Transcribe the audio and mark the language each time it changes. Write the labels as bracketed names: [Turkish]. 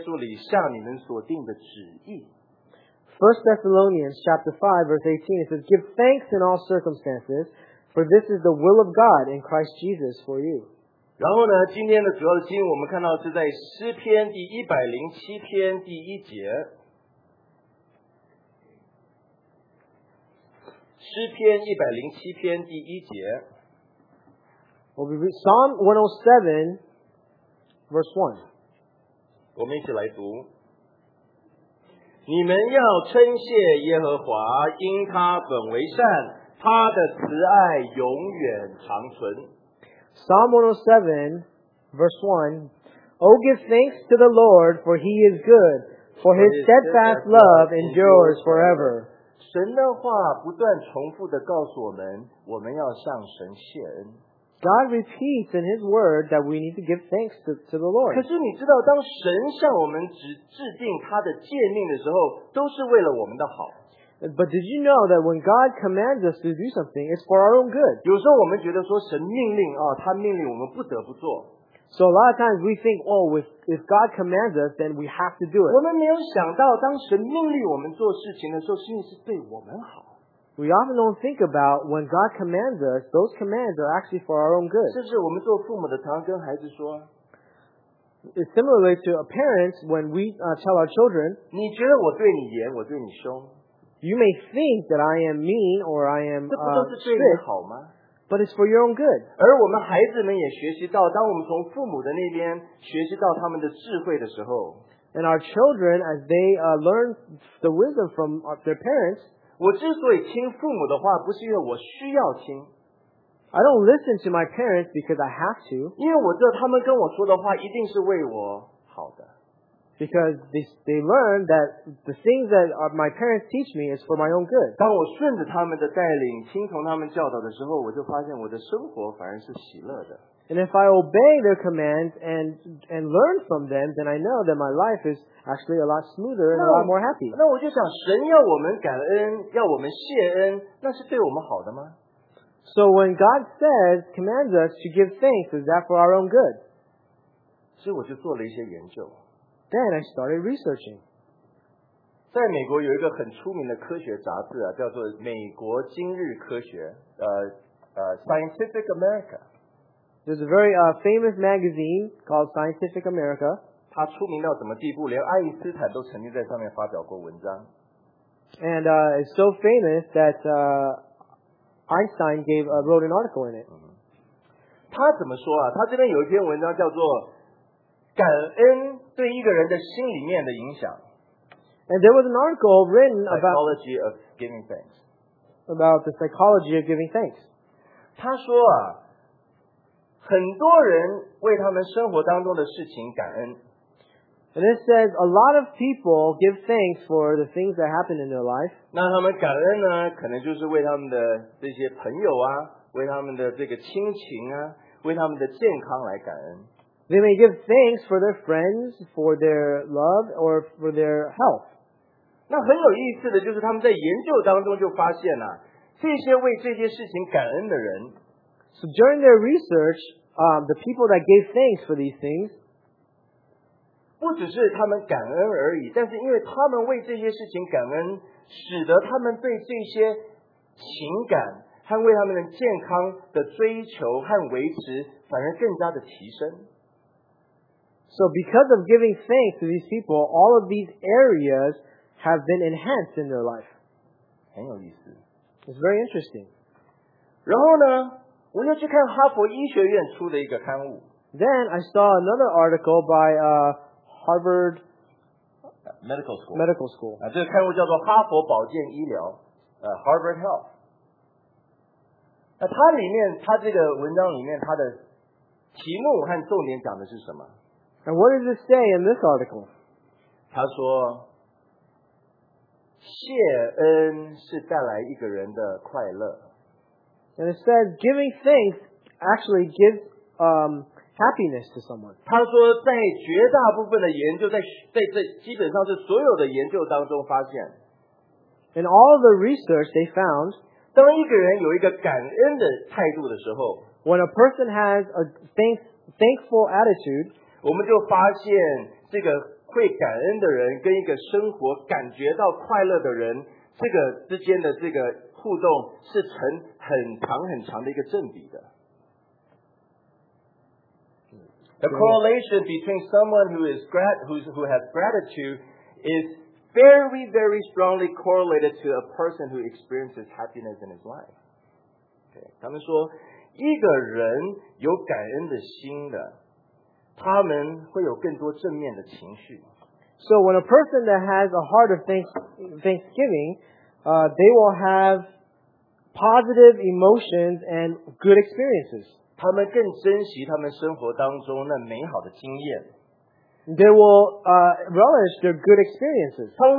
[Chinese] 帖撒罗尼迦前书第五章第十八节那边讲到，凡事谢恩，因为这是神在基督耶稣里向你们所定的旨意。 [English] 1 Thessalonians chapter 5 verse 18, it says, "Give thanks in all circumstances, for this is the will of God in Christ Jesus for you." [Chinese] 然后呢，今天的主要的经文我们看到是在诗篇第107篇第一节。诗篇一百零七篇第一节。 [English] We'll read Psalm 107, verse 1. [Chinese] 我们一起来读。你们要称谢耶和华，因他本为善，他的慈爱永远长存。 [English] Psalm 107, verse 1. Oh, give thanks to the Lord, for he is good, for his steadfast love endures forever. [Chinese] 神的话不断重复地告诉我们，我们要向神谢恩。 [English] God repeats in His Word that we need to give thanks to the Lord. [Chinese] 可是你知道，当神向我们制定他的诫命的时候，都是为了我们的好。 [English] But did you know that when God commands us to do something, it's for our own good? [Chinese] 有时候我们觉得说神命令啊，他命令我们不得不做。 [English] So a lot of times we think, oh, if God commands us, then we have to do it. [Chinese] 我们没有想到，当神命令我们做事情的时候，其实是对我们好。 [English] We often don't think about when God commands us, those commands are actually for our own good. [Chinese] 这是我们做父母的常跟孩子说。 [English] It's similarly to a parent when we tell our children, [Chinese] 你觉得我对你严，我对你凶。 [English] You may think that I am mean or I am strict. [Chinese] 这不都是对你好吗？ [English] But it's for your own good. [Chinese] 而我们孩子们也学习到，当我们从父母的那边学习到他们的智慧的时候。 [English] And our children, as they learn the wisdom from their parents, [Chinese] 我之所以听父母的话，不是因为我需要听。 [English] I don't listen to my parents because I have to. [Chinese] 因为我知道他们跟我说的话一定是为我好的。 [English] Because they learn that the things that my parents teach me is for my own good. [Chinese] 当我顺着他们的带领，听从他们教导的时候，我就发现我的生活反而是喜乐的。 [English] And if I obey their commands and learn from them, then I know that my life is actually a lot smoother and a lot more happy. [Chinese] 那我就想，神要我们感恩，要我们谢恩，那是对我们好的吗？ [English] So when God says, commands us to give thanks, is that for our own good? [Chinese] 所以我就做了一些研究。 [English] Then I started researching. [Chinese] 在美国有一个很出名的科学杂志啊，叫做《美国今日科学》Scientific America. [English] There's a very famous magazine called Scientific America. [Chinese] 它出名到什么地步？连爱因斯坦都曾经在上面发表过文章。 [English] And it's so famous that Einstein wrote an article in it. [Chinese] 他怎么说啊？他这边有一篇文章叫做《感恩》。对一个人的心里面的影响。 [English] And there was an article written about psychology of giving thanks. About the psychology of giving thanks. [Chinese] 他说啊，很多人为他们生活当中的事情感恩。 [English] And it says a lot of people give thanks for the things that happen in their life. [Chinese] 那他们感恩呢，可能就是为他们的这些朋友啊，为他们的这个亲情啊，为他们的健康来感恩。 [English] They may give thanks for their friends, for their love, or for their health. [Chinese] 那很有意思的就是他们在研究当中就发现了，这些为这些事情感恩的人。 [English] So during their research, the people that gave thanks for these things, [Chinese] 不只是他们感恩而已，但是因为他们为这些事情感恩，使得他们对这些情感和为他们的健康的追求和维持反而更加的提升。 [English] So because of giving thanks to these people, all of these areas have been enhanced in their life. [Chinese] 很有意思。 [English] It's very interesting. [Chinese] 然后呢，我又去看哈佛医学院出的一个刊物。 [English] Then I saw another article by Harvard Medical School. Medical School. [Chinese] 这个刊物叫做哈佛保健医疗Harvard Health. 它里面，它这个文章里面，它的题目和重点讲的是什么？ [English] And what does it say in this article? [Chinese] 他说，谢恩是带来一个人的快乐。 [English] And it says giving thanks actually gives happiness to someone. [Chinese] 他说，在绝大部分的研究，在基本上是所有的研究当中发现。 [English] In all the research they found, [Chinese] 当一个人有一个感恩的态度的时候 [English] ，when a person has a thankful attitude. [Chinese] 我们就发现这个会感恩的人跟一个生活感觉到快乐的人这个之间的这个互动是成很长很长的一个正比的。 [English] The correlation between someone who has gratitude is very, very strongly correlated to a person who experiences happiness in his life. [Chinese] Okay, 他们说, 一个人有感恩的心的, 他们会有更多正面的情绪。 [English] So when a person that has a heart of thanksgiving, they will have positive emotions and good experiences. [Chinese] 他们更珍惜他们生活当中那美好的经验。 [English] They will relish their good experiences.